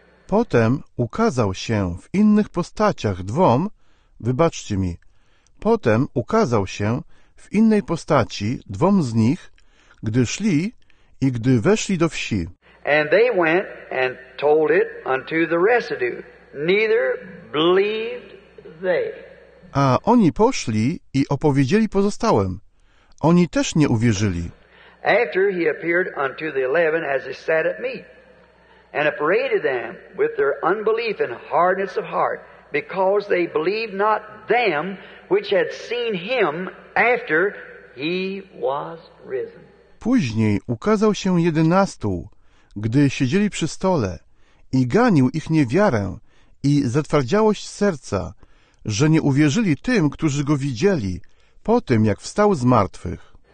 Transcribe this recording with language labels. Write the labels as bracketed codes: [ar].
[pl] Potem ukazał się w innych postaciach dwom, wybaczcie mi, potem ukazał się w innej postaci dwom z nich, gdy szli i gdy weszli do wsi. [en] And they went and told it unto the residue. Neither believed they. [pl] A oni poszli i opowiedzieli pozostałym. Oni też nie uwierzyli. [en] After he appeared unto the 11 as they sat at meat, and upbraided them with their unbelief and hardness of heart, because they believed not them which had seen him after he was risen. [pl] Później ukazał się 11, gdy siedzieli przy stole, i ganił ich niewiarę i zatwardziałość serca, że nie uwierzyli tym, którzy go widzieli, po tym, jak wstał z martwych.